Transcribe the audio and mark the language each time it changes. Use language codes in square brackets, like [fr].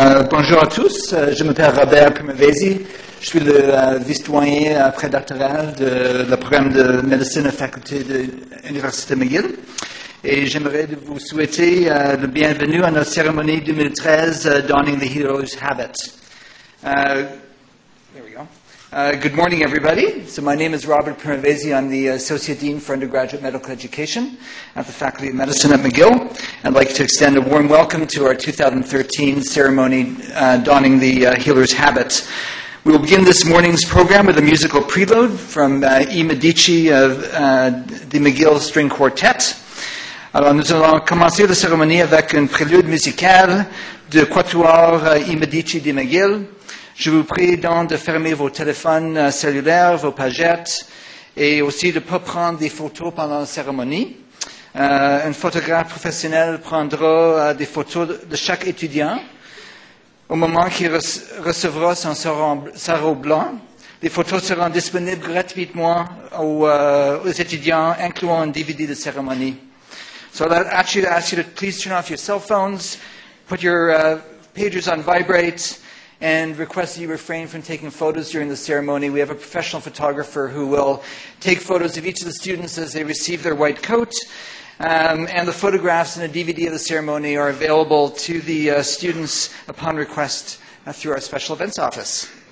[fr] Bonjour à tous, je m'appelle Robert Primavesi, je suis le vice-doyen prédoctoral de le programme de médecine à la faculté de l'Université McGill et j'aimerais vous souhaiter la bienvenue à notre cérémonie 2013 Donning the Hero's Habit. [en] Good morning, everybody. So my name is Robert Primavesi. I'm the Associate Dean for Undergraduate Medical Education at the Faculty of Medicine at McGill. I'd like to extend a warm welcome to our 2013 ceremony, Donning the Healer's Habit. We will begin this morning's program with a musical preload from E. Medici of the McGill String Quartet. [fr] Alors, nous allons commencer la cérémonie avec un prélude musical de Quatuor E. Medici de McGill. Je vous prie donc de fermer vos téléphones cellulaires, vos pagettes, et aussi de ne pas prendre des photos pendant la cérémonie. Un photographe professionnel prendra des photos de chaque étudiant au moment qu'il recevra son sarrau blanc. Les photos seront disponibles gratuitement aux étudiants, incluant un DVD de cérémonie. [en] So I'll actually ask you to please turn off your cell phones, put your pagers on vibrate, and request that you refrain from taking photos during the ceremony. We have a professional photographer who will take photos of each of the students as they receive their white coat. And the photographs and a DVD of the ceremony are available to the students upon request through our special events office.